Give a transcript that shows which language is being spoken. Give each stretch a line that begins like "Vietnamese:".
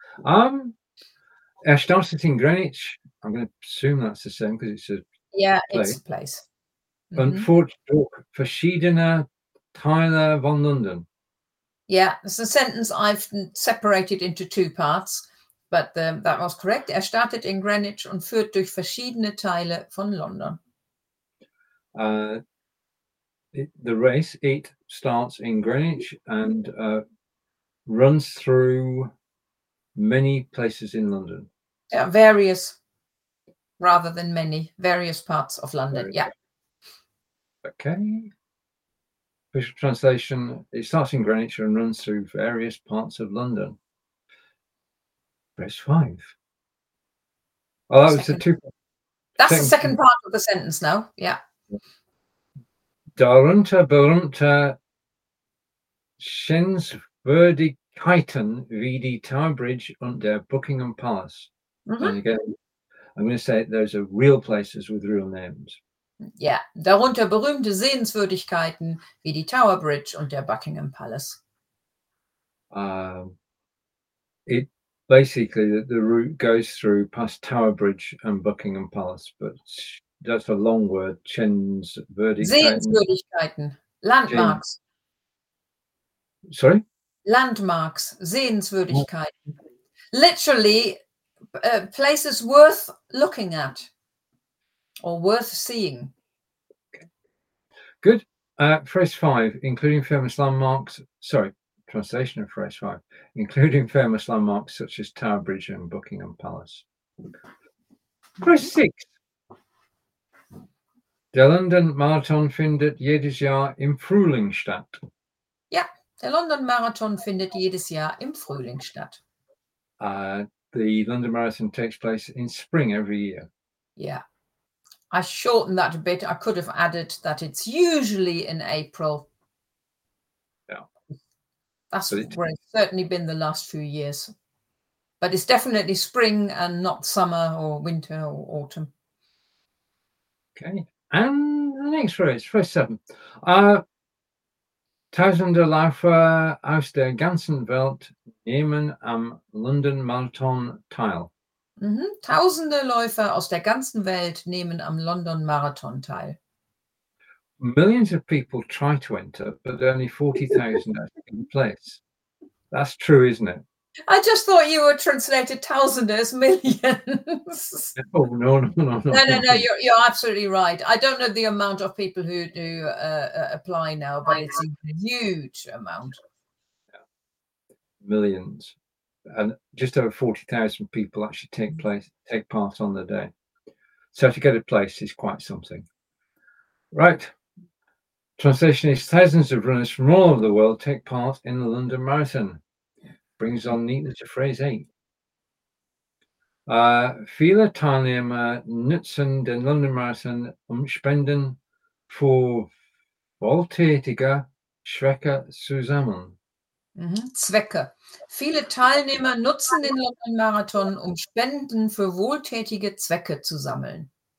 German: Er startet in Greenwich.
English: I'm going to assume that's the same because it's a place. It's a place.
German: Mm-hmm. Und fort durch verschiedene Teile von London.
English: Yeah, it's a sentence I've separated into two parts, but that was correct.
German: Er startet in Greenwich und führt durch verschiedene Teile von London.
English: The race starts in Greenwich and runs through many places in London. Yeah, various, rather than many, various parts of London, Okay. Official translation, it starts in Greenwich and runs through various parts of London. Press 5. Oh, that was the two. That's the second part of the sentence now, yeah.
German: Darunter berühmte Sehenswürdigkeiten wie die Tower Bridge und der Buckingham Palace. Mm-hmm.
English: And again, I'm going to say those are real places with real names.
German: Yeah, darunter berühmte Sehenswürdigkeiten wie die Tower Bridge und der Buckingham Palace.
English: It basically the route goes through past Tower Bridge and Buckingham Palace, but. That's a long word.
German: Sehenswürdigkeiten. Landmarks.
English: Sorry? Landmarks. Sehenswürdigkeiten. Literally, places worth looking at or worth seeing. Good. Phrase five, including famous landmarks. Sorry, translation of phrase five, including famous landmarks such as Tower Bridge and Buckingham Palace. Phrase six.
German: Der London Marathon findet jedes Jahr im Frühling statt. Yeah, the London Marathon findet jedes Jahr im Frühling statt.
English: The London Marathon takes place in spring every year. Yeah. I shortened that a bit. I could have added that it's usually in April. Yeah. That's where it's certainly been the last few years. But it's definitely spring and not summer or winter or autumn. Okay. And the next phrase, phrase seven.
German: Tausende Laufer aus der ganzen Welt nehmen am London Marathon teil. Mm-hmm. Tausende Läufer aus der ganzen Welt nehmen am London Marathon teil.
English: Millions of people try to enter, but only 40,000 are in place. That's true, isn't it? I just thought you were translated tausende as millions. Oh, no. You're absolutely right. I don't know the amount of people who do apply now, but it's a huge amount. Yeah. Millions. And just over 40,000 people actually take part on the day. So to get a place is quite something. Right. Translation is thousands of runners from all over the world take part in the London Marathon. Brings on neatly to phrase eight.
German: Viele Teilnehmer nutzen den London Marathon spenden für wohltätige Schwecke zusammen. Zwecke. Viele Teilnehmer nutzen den London Marathon, Spenden für wohltätige Zwecke zu sammeln.